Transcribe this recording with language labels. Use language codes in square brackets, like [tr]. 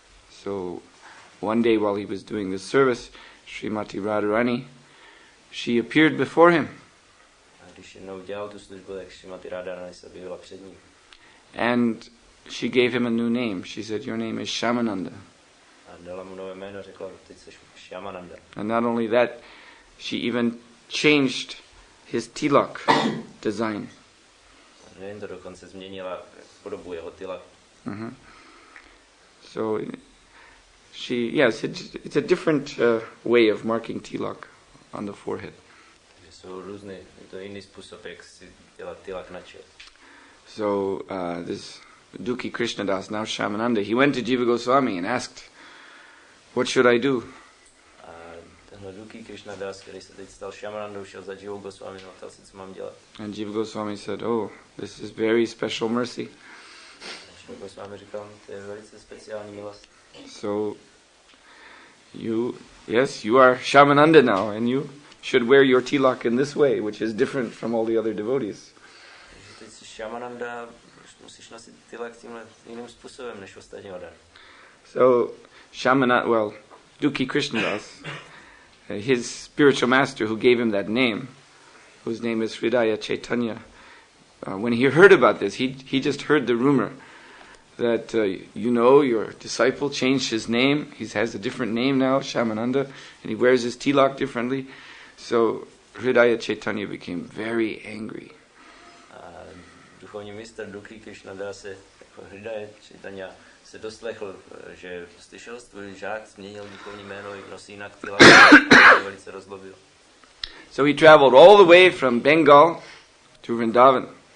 [en] So one day while he was doing the service, Srimati Radharani, she appeared before him. [cs] A když jednou udělal tu službu, tak Srimati Radharani se objevila před ním. [en] And she gave him a new name. She said, "Your name is Shyamananda." [cs] A dala mu nové jméno, řekla, "Ty jsi Shyamananda." [en] And not only that, she even changed his tilak design. [cs] Nejen to, dokonce změnila podobu jeho tilak. [en] So she, yes, it's a different way of marking tilak on the forehead. [cs] Takže jsou různé, je to jiný způsob, jak si dělat tilak na čele. [en] So this Duki Krishnadas, now Shyamananda, he went to Jiva Goswami and asked, "What should I do?" [cs] Tenhle Duki Krishnadas, který se teď stal Shyamanandou, šel za Jiva Goswami a ptal se, co mám dělat. [en] And Jiva Goswami said, "Oh, this is very special mercy." [cs] Jiva Goswami říkal, to je velice speciální milost. [en] So you, yes, you are Shyamananda now, and you should wear your tilak in this way, which is different from all the other devotees. [cs] Shyamananda, musíš nosit tilak tímhle jiným způsobem než ostatní lidé. [en] So, Shyamananda, well, Duki Krishnadas, his spiritual master who gave him that name, whose name is Hridaya Chaitanya, when he heard about this, he just heard the rumor that, you know, your disciple changed his name, he has a different name now, Shyamananda, and he wears his tilak differently. So, Hridaya Chaitanya became very angry. [cs] Duchovní mistr Duki Krishnadas se Hridaya Chaitanya se doslechl, že slyšel svůj žák, změnil duchovní jméno i nosí jinak tilak, a velice rozlobil. [en] So he traveled all the way from Bengal to Vrindavan.